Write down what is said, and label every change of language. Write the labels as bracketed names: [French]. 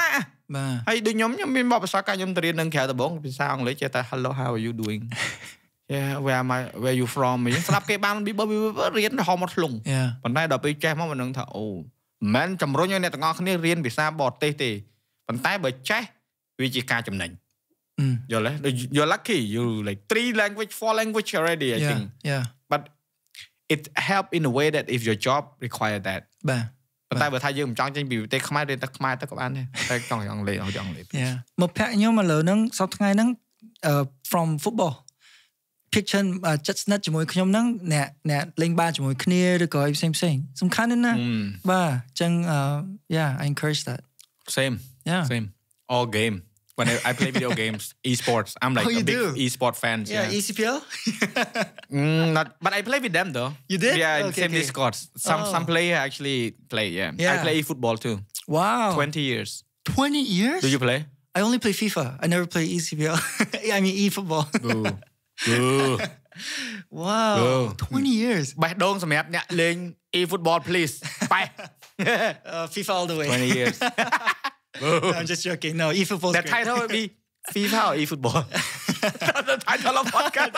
[Khmer] ហើយដូចខ្ញុំមានបបភាសាកាខ្ញុំទៅរៀននៅក្រៅដបងភាសាអង់គ្លេសចេះតែ [English] hello how are you doing yeah where you from [Khmer] មានស្ដាប់គេបានពីបើរៀនហមមកធ្លុងប៉ុន្តែដល់ពេលចេះមកមិននឹងថាអូមែនជំរុញឲ្យអ្នកទាំងអស់គ្នារៀនភាសាបរទេសទេប៉ុន្តែបើចេះវាជាការចំណេញយល់ទេ [English] you're lucky you like 3 language 4 language already I think yeah butit help in a way that if your job require that but [Khmer] តែបើថាយើងមិនចង់ចេញពីប្រទេសខ្មែររៀនតែខ្មែរទៅក៏បានដែរតែចង់យ៉ាងលេអស់យ៉ាងលេ មកភ័ក្រខ្ញុំឥឡូវហ្នឹងសប្តាហ៍ថ្ងៃហ្នឹង from football kitchen ចិត្តស្និទ្ធជាមួយខ្ញុំហ្នឹងអ្នកលេងបាល់ជាមួយគ្នាឬក៏ផ្សេងផ្សេងសំខាន់ណាស់ណាបាទអញ្ចឹង [English] yeah I encourage that same all game when I play video games esports I'm like a big esports fan yeah ECPL not but I play with them though you did yeah okay, same Discord some player actually play yeah I play football too wow 20 years do you play I only play FIFA I never play ECPL I mean eFootball wow 20 years [Khmer] បេះដូងសម្រាប់អ្នកលេង eFootball [English] please [Khmer] បេះ [English] FIFA all the way 20 years I'm just joking. No, eFootball. That title would be FIFA or eFootball. That's the title of podcast.